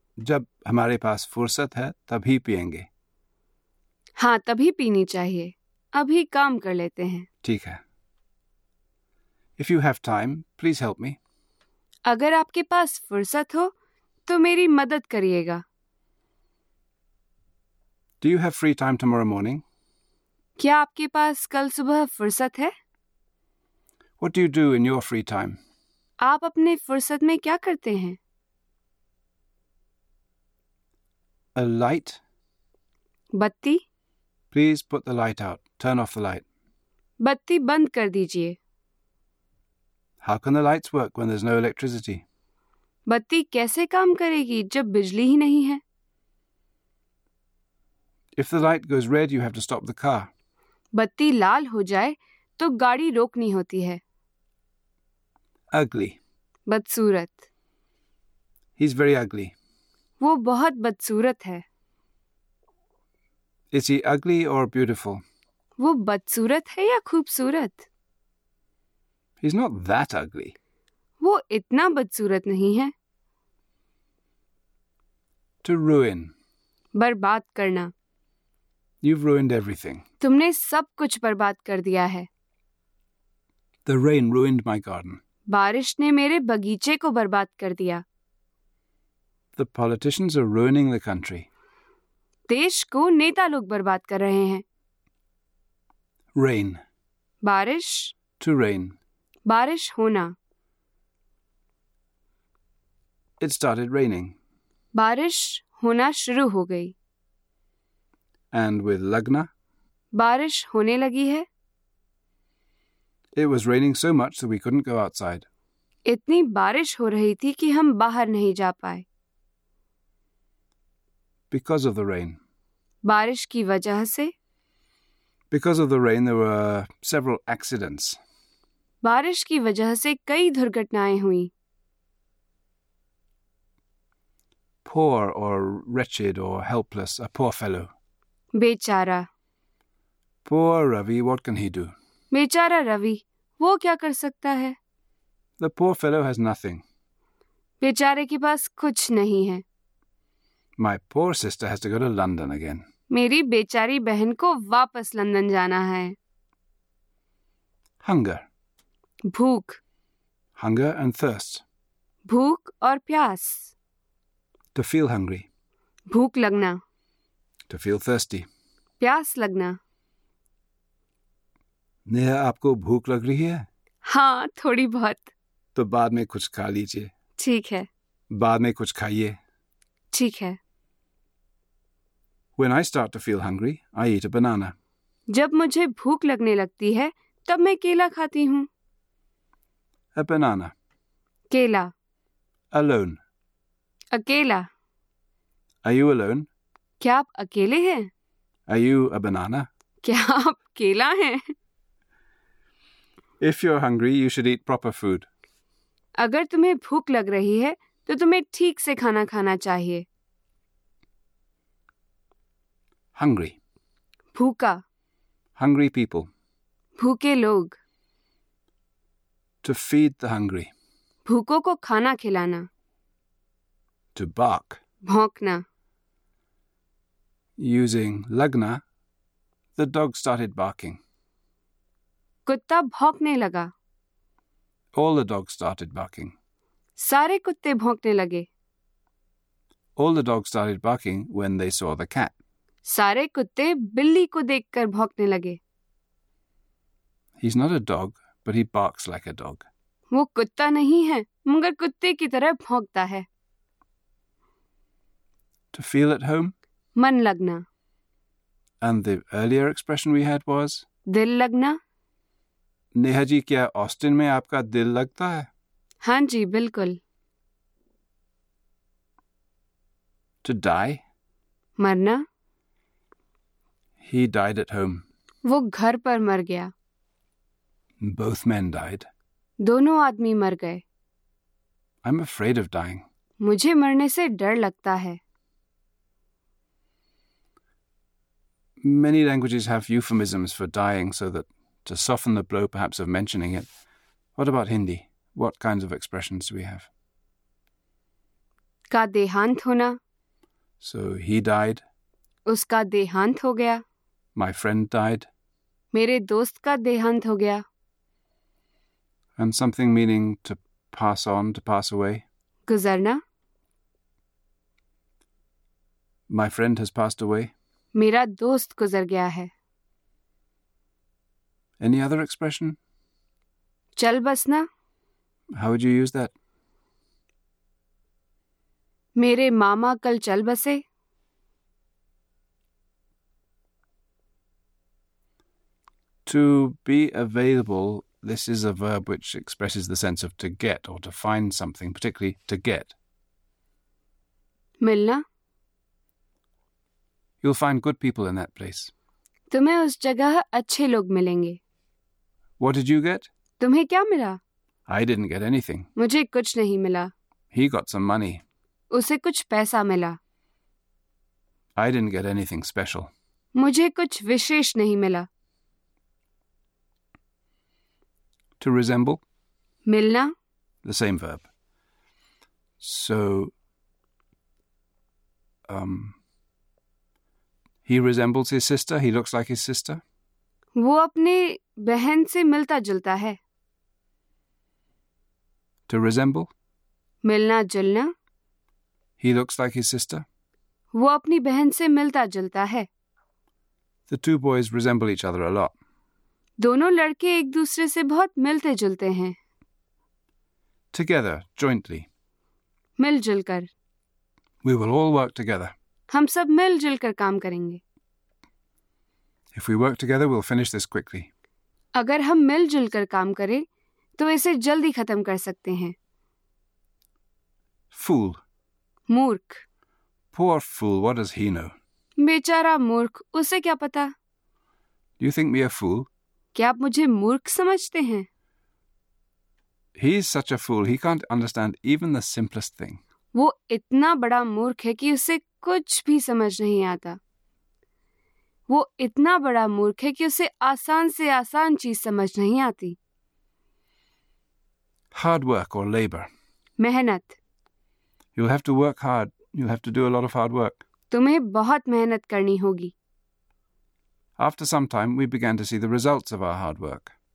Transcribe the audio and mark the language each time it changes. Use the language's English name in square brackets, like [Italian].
[Hindi] जब हमारे पास फुर्सत है तभी पियेंगे। हाँ तभी पीनी चाहिए, अभी काम कर लेते हैं। ठीक है। [English] If you have time please help me. [Hindi] अगर आपके पास फुर्सत हो तो मेरी मदद करिएगा। [English] Do you have free time tomorrow morning? [Hindi] क्या आपके पास कल सुबह फुर्सत है? [English] What do you do in your free time? [Hindi] आप अपने फुर्सत में क्या करते हैं? [English] A light? [Hindi] बत्ती? [English] Please put the light out. Turn off the light. [Hindi] बत्ती बंद कर दीजिए। [English] How can the lights work when there's no electricity? [Hindi] बत्ती कैसे काम करेगी जब बिजली ही नहीं है? [English] If the light goes red, you have to stop the car. [Hindi] बत्ती लाल हो जाए तो गाड़ी रोकनी होती है। [English] Ugly. [Hindi] बदसूरत। [English] He's very ugly. [Hindi] वो बहुत बदसूरत है। [English] Is he ugly or beautiful? [Hindi] वो बदसूरत है या खूबसूरत? [English] He's not that ugly. [Hindi] वो इतना बदसूरत नहीं है। [English] To ruin. [Hindi] बर्बाद करना। [English] You've ruined everything. [Hindi] तुमने सब कुछ बर्बाद कर दिया है। [English] The rain ruined my garden. [Hindi] बारिश ने मेरे बगीचे को बर्बाद कर दिया। [English] The politicians are ruining the country. [Hindi] देश को नेता लोग बर्बाद कर रहे हैं। [English] Rain. [Hindi] बारिश। [English] To rain. [Hindi] बारिश होना। [English] It started raining. [Hindi] बारिश होना शुरू हो गई। [English] And with lagna? [Hindi] बारिश होने लगी है। [English] It was raining so much that we couldn't go outside. [Hindi] इतनी बारिश हो रही थी कि हम बाहर नहीं जा पाए। [English] Because of the rain. [Hindi] बारिश की वजह से। [English] Because of the rain, there were several accidents. [Hindi] बारिश की वजह से कई दुर्घटनाएं हुई। [English] Poor or wretched or helpless, a poor fellow. [Hindi] बेचारा। [English] Poor Ravi, what can he do? [Hindi] बेचारा रवि, वो क्या कर सकता है? [English] The poor fellow has nothing. [Hindi] बेचारे के पास कुछ नहीं है। [English] My poor sister has to go to London again. [Hindi] मेरी बेचारी बहन को वापस लंदन जाना है। [English] Hunger. [Hindi] भूख। [English] Hunger and thirst. [Hindi] भूख और प्यास। [English] To feel hungry. [Hindi] भूख लगना। [English] To feel thirsty. [Hindi] प्यास लगना। नेहा, आपको भूख लग रही है? हाँ थोड़ी बहुत। तो बाद में कुछ खा लीजिए। ठीक है। बाद में कुछ खाइए। ठीक है। [English] When I start to feel hungry, I eat a banana. [Hindi] जब मुझे भूख लगने लगती है तब मैं केला खाती हूँ। [English] A banana. [Hindi] केला। [English] Alone. [Hindi] अकेला। [English] Are you alone? [Hindi] क्या आप अकेले हैं? [English] Are you a banana? [Hindi] क्या आप केला हैं? [English] If you're hungry, you should eat proper food. [Hindi] अगर तुम्हें भूख लग रही है तो तुम्हें ठीक से खाना खाना चाहिए। [English] Hungry. [Hindi] भूखा। [English] Hungry people. [Hindi] भूखे लोग। [English] To feed the hungry. [Hindi] भूखों को खाना खिलाना। [English] To bark. [Hindi] भौंकना। [English] Using lagna, the dog started barking. [Hindi] कुत्ता भौंकने लगा। [English] All the dogs started barking. [Hindi] सारे कुत्ते भौंकने लगे। [English] All the dogs started barking when they saw the cat. [Hindi] सारे कुत्ते बिल्ली को देखकर भौंकने लगे। [English] He's not a dog, but he barks like a dog. [Hindi] वो कुत्ता नहीं है, मगर कुत्ते की तरह भौंकता है। [English] To feel at home. [Hindi] मन लगना। [English] And the earlier expression we had was. [Hindi] दिल लगना। नेहा जी, क्या ऑस्टिन में आपका दिल लगता है? हाँ जी बिल्कुल। [English] to die, [Hindi] मरना। [English] he died at home, [Hindi] वो घर पर मर गया। [English] both man died, [Hindi] दोनों आदमी मर गए। [English] I am afraid of dying, [Hindi] मुझे मरने से डर लगता है। [English] Many languages have euphemisms for dying so that to soften the blow perhaps of mentioning it. What about Hindi? What kinds of expressions do we have? [Hindi] का देहांत होना। [English] So he died. [Hindi] उसका देहांत हो गया। [English] My friend died. [Hindi] मेरे दोस्त का देहांत हो गया। [English] And something meaning to pass on, to pass away. [Hindi] गुजरना। [English] My friend has passed away. [Hindi] मेरा दोस्त गुजर गया है। [English] Any other expression? [Hindi] चल बसना। [English] How would you use that? [Hindi] मेरे मामा कल चल बसे। [English] To be available, this is a verb which expresses the sense of to get or to find something, particularly to get. [Hindi] मिलना। [English] You'll find good people in that place. [Hindi] तुम्हें उस जगह अच्छे लोग मिलेंगे। [English] What did you get? [Hindi] तुम्हें क्या मिला? [English] I didn't get anything. [Hindi] मुझे कुछ नहीं मिला। [English] He got some money. [Hindi] उसे कुछ पैसा मिला। [English] I didn't get anything special. [Hindi] मुझे कुछ विशेष नहीं मिला। [English] To resemble? [Hindi] मिलना। [English] The same verb. So, He resembles his sister. He looks like his sister. [Hindi] वो अपने बहन से मिलता जुलता है। [English] To resemble? [Hindi] मिलना जुलना। [English] He looks like his sister. [Hindi] वो अपनी बहन से मिलता जुलता है। [English] The two boys resemble each other a lot. [Hindi] दोनों लड़के एक दूसरे से बहुत मिलते जुलते हैं। [English] Together, jointly. [Hindi] मिलजुल कर। [English] We will all work together. [Hindi] हम सब मिलजुल कर काम करेंगे। [English] If we work together, we'll finish this quickly. [Hindi] अगर हम मिलजुल कर काम करें तो इसे जल्दी खत्म कर सकते हैं। [English] Fool. [Hindi] मूर्ख। [English] Poor fool, what does he know? [Hindi] बेचारा मूर्ख, उसे क्या पता? [English] Do you think me a fool? [Hindi] क्या आप मुझे मूर्ख समझते हैं? [English] He's such a fool, he can't understand even the simplest thing. [Hindi] वो इतना बड़ा मूर्ख है कि उसे कुछ भी समझ नहीं आता। वो इतना बड़ा मूर्ख है कि उसे आसान से आसान चीज समझ नहीं आती। [English] Hard work or labor. [Hindi] मेहनत। [English] You have to work hard. You have to do a lot of hard work. [Hindi] तुम्हें बहुत मेहनत करनी होगी। [English] After some time, we began to see the results of our hard work.